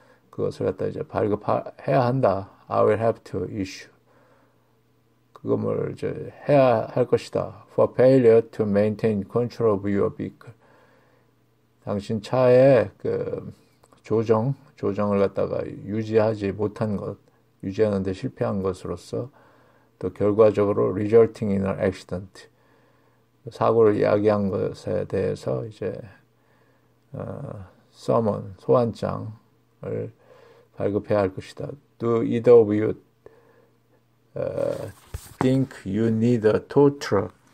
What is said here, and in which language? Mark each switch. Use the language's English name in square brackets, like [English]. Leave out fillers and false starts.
[Korean] 그것을 갖다 이제 발급해야 한다. [English] I will have to issue. [Korean] 그거를 이제 해야 할 것이다. [English] For failure to maintain control of your vehicle. [Korean] 당신 차의 조정을 갖다가 유지하지 못한 것, 유지하는 데 실패한 것으로서 또 결과적으로 [English] resulting in an accident. [Korean] 사고를 야기한 것에 대해서 이제 summon, 소환장을 발급해야 할 것이다. [English] Do either of you think you need a tow truck?